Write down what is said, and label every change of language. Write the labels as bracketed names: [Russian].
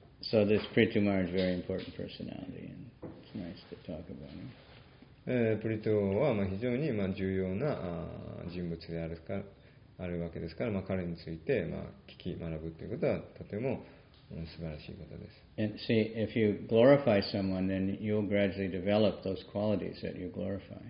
[English] So this Prithu Maharaj is a very important personality and it's nice to talk about him. [Japanese] プリトゥはまあ非常にまあ重要な人物であるか、あるわけですから、まあ、彼についてまあ聞き学ぶということはとても素晴らしいことです。 [English] And see, if you glorify someone, then you'll gradually develop those qualities that you glorify.